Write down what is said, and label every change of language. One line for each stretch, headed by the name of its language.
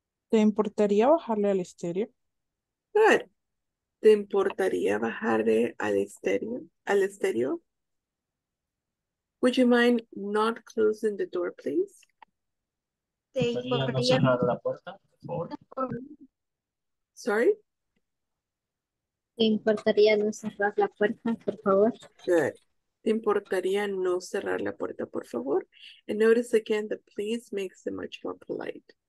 Spanish: Te importaría bajarle al estéreo. Good. ¿Te importaría bajarle al estéreo? Al estéreo?
English: Would you mind not closing the door, please?
Spanish: ¿Te importaría no cerrar la puerta, por favor?
English: Sorry?
Spanish: ¿Te importaría no cerrar la puerta, por favor?
English: Good.
Spanish: ¿Te importaría no cerrar la puerta, por favor?
English: And notice again that please makes it much more polite.